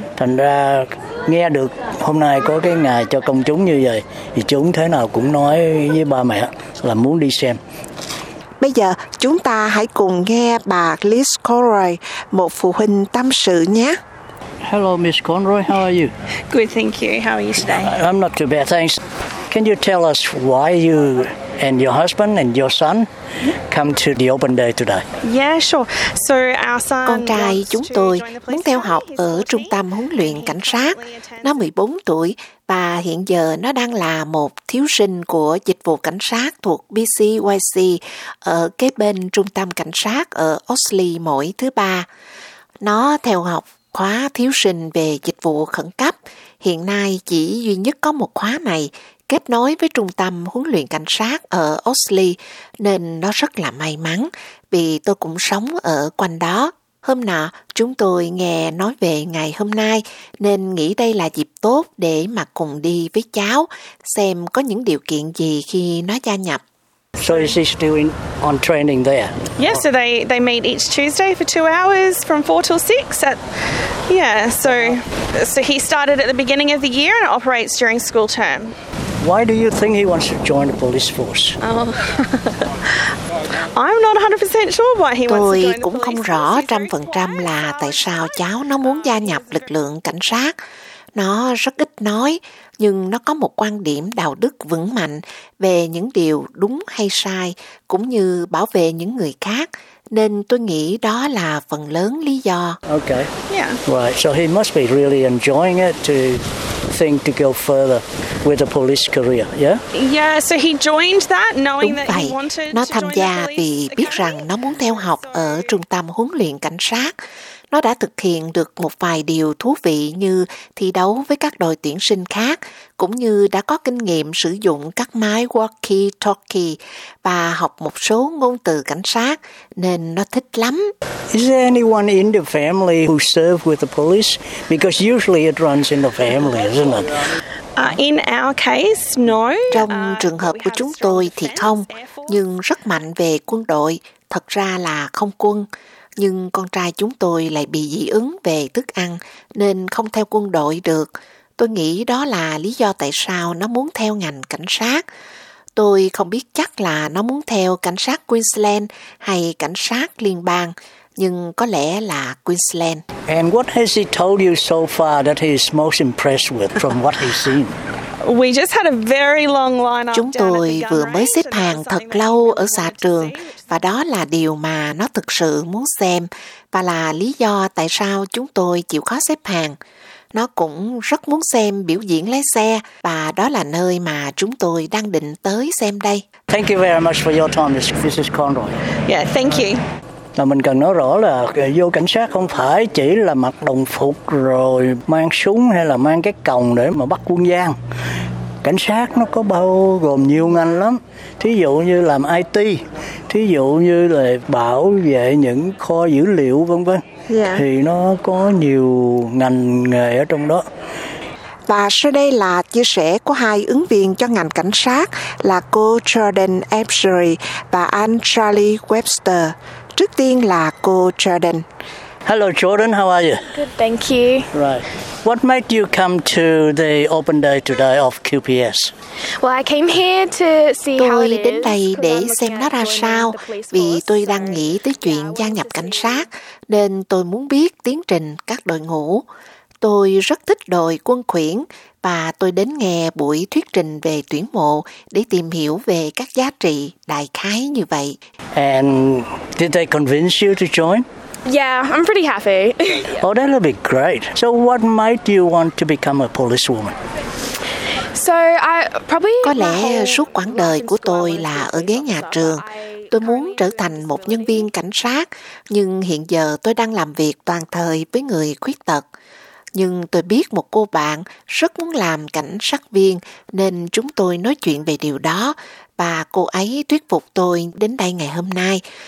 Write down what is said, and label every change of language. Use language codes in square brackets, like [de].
[vi] thành ra nghe được hôm nay có cái ngày cho công chúng như vậy thì chúng thế nào cũng nói với ba mẹ là muốn đi xem. Bây giờ chúng ta hãy cùng nghe bà Liz Conroy, một phụ huynh tâm sự nhé. [en] Hello Miss Conroy, how are you? Good, thank you. How are you today? I'm not too bad, thanks. Can you tell us why you and your husband and your son come to the open day today? Yeah, sure. So our son, [vi] con trai chúng tôi muốn theo học ở trung tâm huấn luyện cảnh sát. Nó 14 tuổi và hiện giờ nó đang là một thiếu sinh của dịch vụ cảnh sát thuộc BCYC ở kế bên trung tâm cảnh sát ở Oxley mỗi thứ ba. Nó theo học khóa thiếu sinh về dịch vụ khẩn cấp. Hiện nay chỉ duy nhất có một khóa này kết nối với trung tâm huấn luyện cảnh sát ở Oxley, nên nó rất là may mắn vì tôi cũng sống ở quanh đó. Hôm nọ, chúng tôi nghe nói về ngày hôm nay nên nghĩ đây là dịp tốt để mà cùng đi với cháu xem có những điều kiện gì khi nó gia nhập. [en] So is he still in, on training there? Yes, so they meet each Tuesday for 2 hours from 4 till 6 at so he started at the beginning of the year and operates during school term. Why do you think he wants to join the police force? I'm not 100% sure why he wants to join. [vi] Tôi cũng không rõ 100% là tại sao cháu nó muốn gia nhập lực lượng cảnh sát. Nó rất ít nói, nhưng nó có một quan điểm đạo đức vững mạnh về những điều đúng hay sai, cũng như bảo vệ những người khác. Nên tôi nghĩ đó là phần lớn lý do. [en] Okay. Yeah. Right. So he must be really enjoying it to think to go further with a police career, yeah? Yeah, so he joined that knowing [vi] đúng [en] that [vi] vậy. [en] He wanted [vi] nó tham gia vì biết rằng nó muốn theo học ở trung tâm huấn luyện cảnh sát. Nó đã thực hiện được một vài điều thú vị như thi đấu với các đội tuyển sinh khác, cũng như đã có kinh nghiệm sử dụng các máy walkie-talkie và học một số ngôn từ cảnh sát, nên nó thích lắm. Is there anyone in the family who served with the police? Because usually it runs in the family, isn't it? In our case, no. Trong trường hợp của chúng tôi thì không, nhưng rất mạnh về quân đội, thật ra là không quân. Nhưng con trai chúng tôi lại bị dị ứng về thức ăn nên không theo quân đội được. Tôi nghĩ đó là lý do tại sao nó muốn theo ngành cảnh sát. Tôi không biết chắc là nó muốn theo cảnh sát Queensland hay cảnh sát liên bang, nhưng có lẽ là Queensland. [en] And what has he told you so far that he is most impressed with from what he's seen? We just had a very long line. [vi] Chúng tôi vừa mới xếp hàng thật lâu ở xạ trường và đó là điều mà nó thực sự muốn xem và là lý do tại sao chúng tôi chịu khó xếp hàng. Nó cũng rất muốn xem biểu diễn lái xe và đó là nơi mà chúng tôi đang định tới xem đây. [en] Thank you very much for your time, Mrs. Conroy. Yeah, thank you. [vi] Là mình cần nói rõ là vô cảnh sát không phải chỉ là mặc đồng phục rồi mang súng hay là mang cái còng để mà bắt quân gian. Cảnh sát nó có bao gồm nhiều ngành lắm. Thí dụ như làm IT, thí dụ như là bảo vệ những kho dữ liệu vân vân. [en] Yeah. [vi] Thì nó có nhiều ngành nghề ở trong đó. Và sau đây là chia sẻ của hai ứng viên cho ngành cảnh sát là cô Jordan Ebsery và anh Charlie Webster. Trước tiên là cô Jordan. [en] Hello, Jordan. How are you? Good, thank you. Right. What made you come to the open day today of QPS? Well, I came here to see [vi] tôi [en] how it [vi] đến [en] is, [vi] đây để xem nó ra sao vì tôi đang nghĩ tới chuyện gia nhập cảnh sát nên tôi muốn biết tiến trình các đội ngũ. Tôi rất thích đội quân khuyển và tôi đến nghe buổi thuyết trình về tuyển mộ để tìm hiểu về các giá trị đại khái như vậy. [en] And did they convince you to join? Yeah, I'm pretty happy. Oh, that'll be great. So what made you want to become a policewoman? So I probably [vi] có lẽ suốt quãng đời của tôi là ở ghế nhà trường. Tôi muốn trở thành một nhân viên cảnh sát, nhưng hiện giờ tôi đang làm việc toàn thời với người khuyết tật. Nhưng tôi biết một cô bạn rất muốn làm cảnh sát viên nên chúng tôi nói chuyện về điều đó và cô ấy thuyết phục tôi đến đây ngày hôm nay.